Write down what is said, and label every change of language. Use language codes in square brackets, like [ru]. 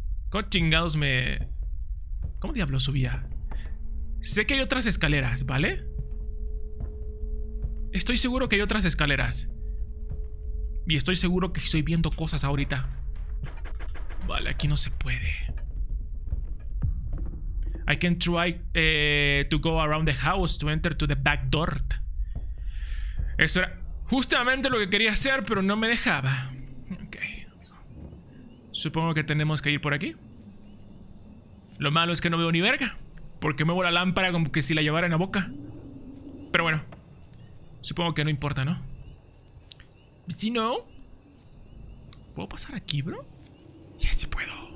[es] ¿Cómo chingados me...? ¿Cómo diablos subía? Sé que hay otras escaleras, ¿vale? Estoy seguro que hay otras escaleras. Y estoy seguro que estoy viendo cosas ahorita. Vale, aquí no se puede. [en] I can try to go around the house to enter to the back door. [es] Eso era justamente lo que quería hacer, pero no me dejaba. Ok. Supongo que tenemos que ir por aquí. Lo malo es que no veo ni verga, porque muevo la lámpara como que si la llevara en la boca. Pero bueno, supongo que no importa, ¿no? Si no, ¿puedo pasar aquí, bro? Ya, sí puedo.